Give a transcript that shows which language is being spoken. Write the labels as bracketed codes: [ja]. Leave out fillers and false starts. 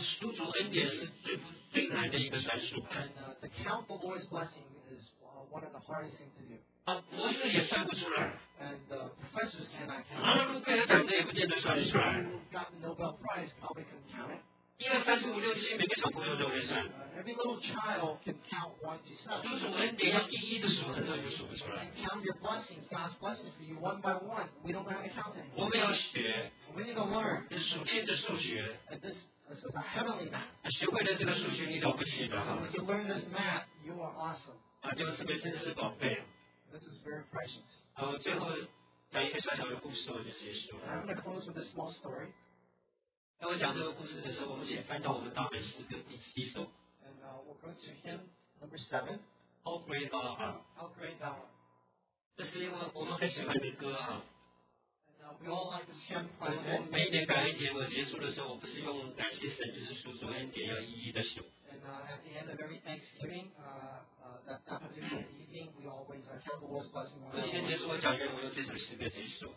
[zh] 数主恩典是最难的一个算术。 [en] And the count the Lord's blessing is one of the hardest things to do. [zh] 博士也算不出来。 [en] And professors cannot count. [zh] 诺贝尔奖的也不见得算得出来。 [en] Who got the Nobel Prize probably couldn't count it. [zh] 一二三四五六七，每个小朋友都会算。 [en] Every little child can count 1 to 7. [zh] 数主恩典要一一的数，很多人就数不出来。 [en] And count your blessings, God's blessings for you one by one. We don't have to count anymore. [zh] 我们要学。 [en] We need to learn. [zh] 这是属天的数学。 [en] And this is a heavenly math. [zh] 学会了这个数学，你了不起的哈。 [en] When you learn this math, you are awesome. [zh] 啊，这个是真的是宝贝。 [en] This is very precious. [zh] 好，最后讲一个小小的故事，我就结束了。 [en] I'm going to close with a small story. [zh] 当我讲这个故事的时候，我们先翻到我们大卫诗歌第7首。 [en] And we'll go to hymn number 7. How great thou art. How great thou art. [zh] 这是因为我们很喜欢的歌啊。 [en] We all like this hymn quite a bit. [zh] 我每年感恩节我结束的时候，我不是用感谢神，就是数主恩典，要一一的数。 [en] And at the end of every Thanksgiving, that particular evening, we always count the Lord's blessing. [zh] 我今天结束我讲员，我用这首诗歌结束。